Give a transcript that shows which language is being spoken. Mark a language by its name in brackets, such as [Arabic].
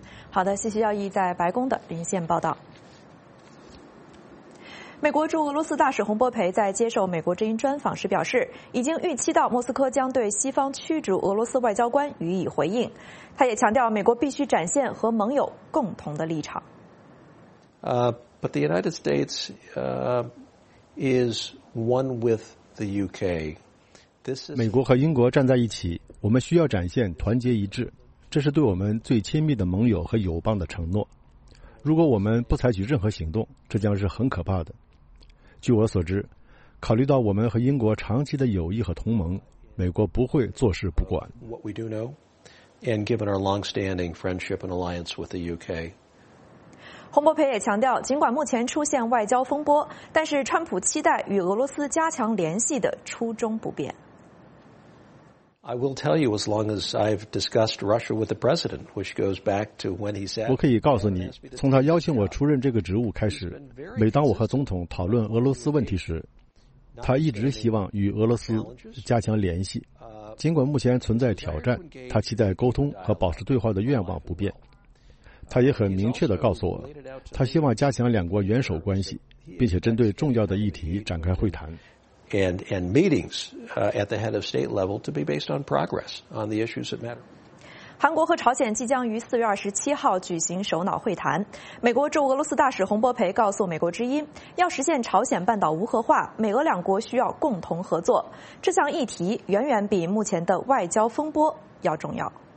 [Chinese] 好的，谢谢耀毅在白宫的连线报道。美国驻俄罗斯大使洪博培在接受美国之音专访时表示，已经预期到莫斯科将对西方驱逐俄罗斯外交官予以回应。他也强调，美国必须展现和盟友共同的立场。 [English] But the United States is one with the UK. [Chinese] 美国和英国站在一起，我们需要展现团结一致，这是对我们最亲密的盟友和友邦的承诺。如果我们不采取任何行动，这将是很可怕的。据我所知，考虑到我们和英国长期的友谊和同盟，美国不会坐视不管。 [English] What we do know, and given our long-standing friendship and alliance with the UK. [Chinese] 洪博培也强调，尽管目前出现外交风波，但是川普期待与俄罗斯加强联系的初衷不变。 [English] I will tell you, as long as I've discussed Russia with the president, which goes back to when he said, [Chinese] 我可以告诉你，从他邀请我出任这个职务开始，每当我和总统讨论俄罗斯问题时，他一直希望与俄罗斯加强联系。尽管目前存在挑战，他期待沟通和保持对话的愿望不变。他也很明确地告诉我，他希望加强两国元首关系，并且针对重要的议题展开会谈。 [English] And meetings at the head of state level to be based on progress on the issues that matter. [Chinese] 韩国和朝鲜即将于4月27号举行首脑会谈。美国驻俄罗斯大使洪博培告诉美国之音，要实现朝鲜半岛无核化，美俄两国需要共同合作。这项议题远远比目前的外交风波要重要。